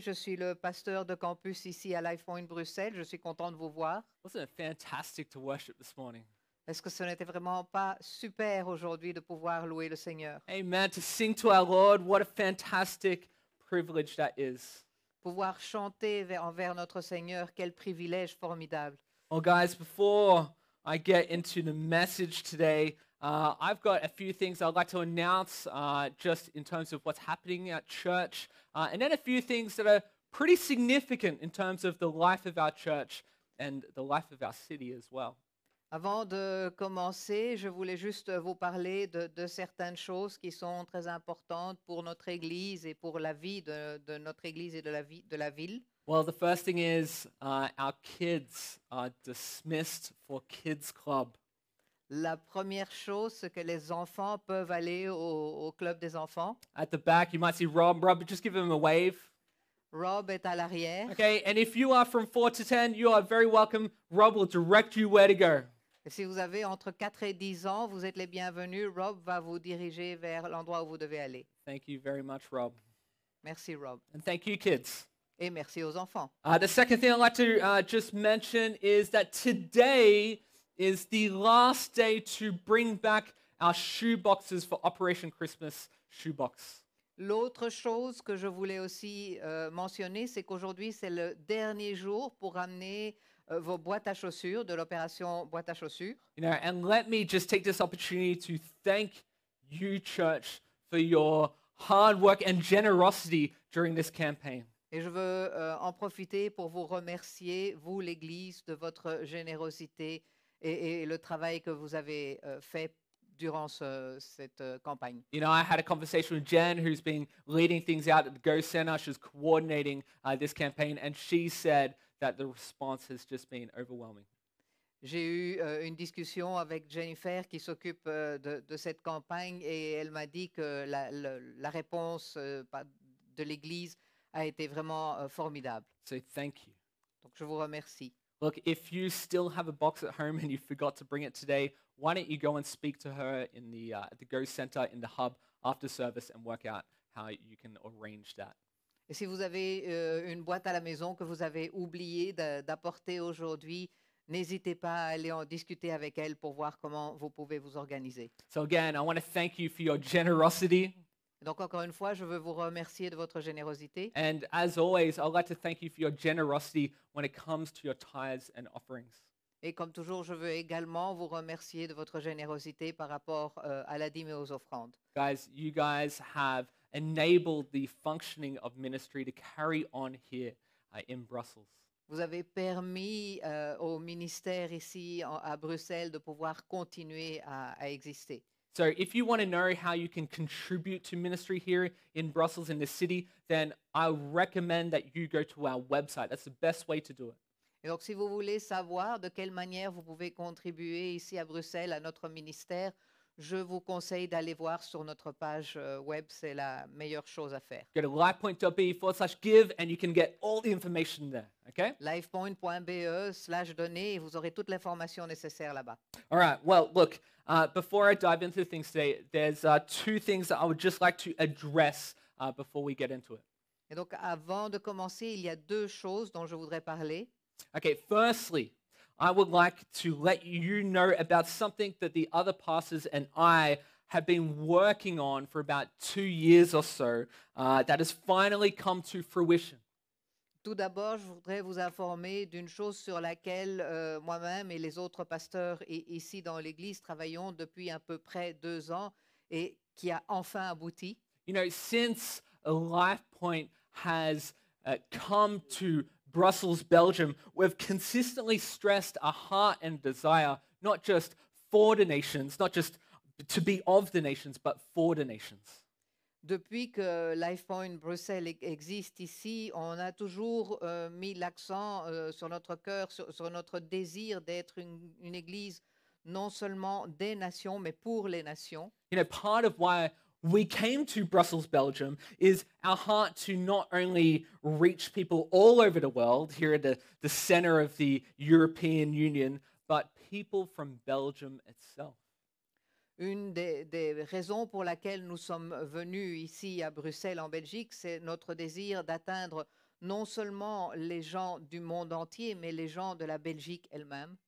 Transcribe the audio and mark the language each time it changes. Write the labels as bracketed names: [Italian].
[French] Je suis le pasteur de campus ici à LifePoint Bruxelles. Je suis content de vous voir. [English] Wasn't it fantastic to worship this morning? [French] Est-ce que ce n'était vraiment pas super aujourd'hui de pouvoir louer le Seigneur? [English] Amen. To sing to our Lord, what a fantastic privilege that is. [French] Pouvoir chanter envers notre Seigneur, quel privilège formidable. [English] Well, guys, before I get into the message today, I've got a few things I'd like to announce just in terms of what's happening at church, and then a few things that are pretty significant in terms of the life of our church and the life of our city as well. [French] Avant de commencer, je voulais juste vous parler de certaines choses qui sont très importantes pour notre église et pour la vie de notre église et de la ville. [English] Well, the first thing is our kids are dismissed for kids club. [French] La première chose, c'est que les enfants peuvent aller au club des enfants. [English] At the back, you might see Rob. Rob, just give him a wave. [French] Rob est à l'arrière. [English] Okay, and if you are from 4 to 10, you are very welcome. Rob will direct you where to go. [French] Et si vous avez entre 4 et 10 ans, vous êtes les bienvenus. Rob va vous diriger vers l'endroit où vous devez aller. [English] Thank you very much, Rob. [French] Merci, Rob. [English] And thank you, kids. [French] Et merci aux enfants. [English] The second thing I'd like to just mention is that today is the last day to bring back our shoeboxes for Operation Christmas Shoebox. [French] L'autre chose que je voulais aussi mentionner, c'est qu'aujourd'hui, c'est le dernier jour pour amener vos boîtes à chaussures, de l'opération boîte à chaussures. [English] You know, and let me just take this opportunity to thank you, church, for your hard work and generosity during this campaign. [French] Et je veux en profiter pour vous remercier, vous, l'Église, de votre générosité et le travail que vous avez fait durant cette campagne. [English] You know, I had a conversation with Jen, who's been leading things out at the Go Center. She's coordinating this campaign, and she said that the response has just been overwhelming. [French] J'ai eu une discussion avec Jennifer, qui s'occupe de cette campagne, et elle m'a dit que la réponse de l'Église a été vraiment formidable. [English] So thank you. [French] Donc je vous remercie. [English] Look, if you still have a box at home and you forgot to bring it today, why don't you go and speak to her in the Go Center in the hub after service and work out how you can arrange that. [French] Et si vous avez une boîte à la maison que vous avez oublié d'apporter aujourd'hui, n'hésitez pas à aller en discuter avec elle pour voir comment vous pouvez vous organiser. [English] So again, I want to thank you for your generosity. [French] Donc encore une fois, je veux vous remercier de votre générosité. [English] And as always, I'd like to thank you for your generosity when it comes to your tithes and offerings. [French] Et comme toujours, je veux également vous remercier de votre générosité par rapport à la dîme et aux offrandes. [English] Guys, you guys have enabled the functioning of ministry to carry on here in Brussels. [French] Vous avez permis au ministère ici à Bruxelles de pouvoir continuer à exister. [English] So if you want to know how you can contribute to ministry here in Brussels, in the city, then I recommend that you go to our website. That's the best way to do it. [French] Et donc, si vous voulez savoir de quelle manière vous pouvez contribuer ici à Bruxelles, à notre ministère, je vous conseille d'aller voir sur notre page web. C'est la meilleure chose à faire. [English] Go to lifepoint.be/give and you can get all the information there. Okay? [French] Lifepoint.be/donner et vous aurez toute l'information nécessaire là-bas. [English] All right. Well, look, before I dive into things today, there's two things that I would just like to address before we get into it. [French] Et donc, avant de commencer, il y a deux choses dont je voudrais parler. [English] Okay, firstly, I would like to let you know about something that the other pastors and I have been working on for about 2 years or so that has finally come to fruition. [French] Tout d'abord, je voudrais vous informer d'une chose sur laquelle moi-même et les autres pasteurs ici dans l'église travaillons depuis à peu près 2 ans et qui a enfin abouti. [English] You know, since LifePoint has come to Brussels, Belgium, we've consistently stressed a heart and desire, not just for the nations, not just to be of the nations, but for the nations. [French] Depuis que LifePoint Bruxelles existe ici, on a toujours mis l'accent sur notre cœur, sur notre désir d'être une église non seulement des nations, mais pour les nations. [English] You know, part of why we came to Brussels, Belgium, is our heart to not only reach people all over the world here at the center of the European Union, but people from Belgium itself. [French] Une des raisons pour laquelle nous sommes venus ici à Bruxelles, en Belgique, c'est notre désir d'atteindre non seulement les gens du monde entier, mais les gens de la Belgique elle-même.